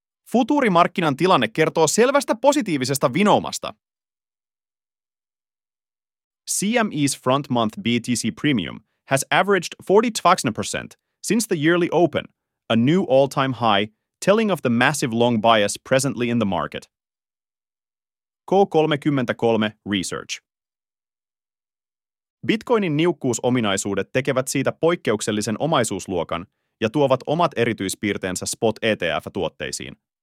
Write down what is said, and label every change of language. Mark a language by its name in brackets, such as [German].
[Finnish] Futuurimarkkinan tilanne kertoo selvästä positiivisesta vinoumasta. [English] CME's front month BTC premium has averaged 42% since the yearly open, a new all-time high, telling of the massive long bias presently in the market. K33 Research. [Finnish] Bitcoinin niukkuusominaisuudet tekevät siitä poikkeuksellisen omaisuusluokan ja tuovat omat erityispiirteensä Spot ETF-tuotteisiin.